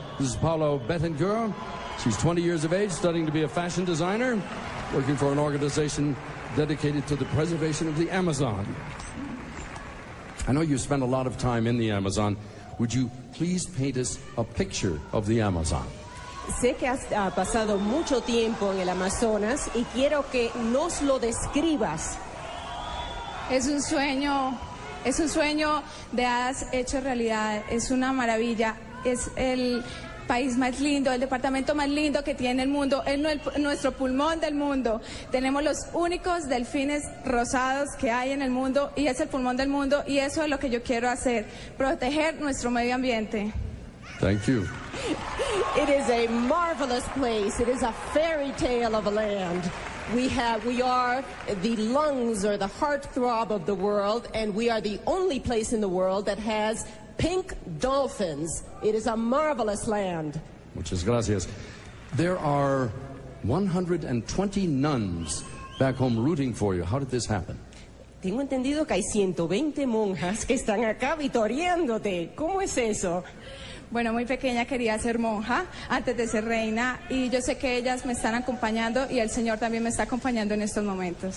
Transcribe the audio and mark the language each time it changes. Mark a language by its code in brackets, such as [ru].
[en] This is Paula Betancur. She's 20 years of age, studying to be a fashion designer, working for an organization dedicated to the preservation of the Amazon. I know you spend a lot of time in the Amazon. Would you please paint us a picture of the Amazon? [es] Sé que has pasado mucho tiempo en el Amazonas y quiero que nos lo describas. Es un sueño de has hecho realidad. Es una maravilla. Es el país más lindo, el departamento más lindo que tiene el mundo, es nuestro pulmón del mundo. Tenemos los únicos delfines rosados que hay en el mundo y es el pulmón del mundo y eso es lo que yo quiero hacer, proteger nuestro medio ambiente. [en] Thank you. It is a marvelous place. It is a fairy tale of a land. We are the lungs or the heartthrob of the world, and we are the only place in the world that has pink dolphins. It is a marvelous land. [es] Muchas gracias. [en] There are 120 nuns back home rooting for you. How did this happen? [es] Tengo entendido que hay 120 monjas que están acá vitoreándote. ¿Cómo es eso? Bueno, muy pequeña quería ser monja antes de ser reina, y yo sé que ellas me están acompañando y el Señor también me está acompañando en estos momentos.